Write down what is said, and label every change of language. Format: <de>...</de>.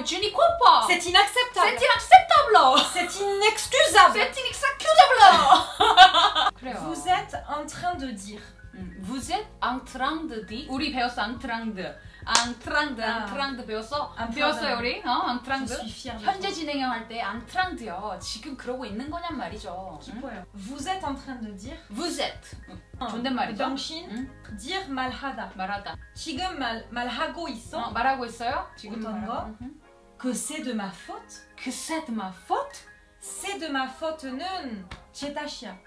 <fr>Je n'y crois pas! C'est inacceptable! C'est inacceptable! C'est inexcusable! C'est inexcusable! Vous êtes en train de dire? Vous êtes en train de dire?</fr> <ko>우리 배웠어,</ko> <fr>en train de. En train de, en train de</fr> <ko>배웠어? 배웠어요, 우리? 어, en train de? 현재 진행형 할 때 en train de요. 지금 그러고 있는 거냔 말이죠. 기뻐요.</ko> <fr>Vous êtes en train de dire? Vous êtes.</fr> <ko>존댓말이죠. 당신? Dire 말하다. 말하다. 지금 말, 말하고 있어? 어, 말하고 있어요? 지금 어떤 거?</ko> <fr>Que c'est de ma faute? Que c'est de ma faute? C'est de ma faute는</fr> <ko>제 탓이야.</ko>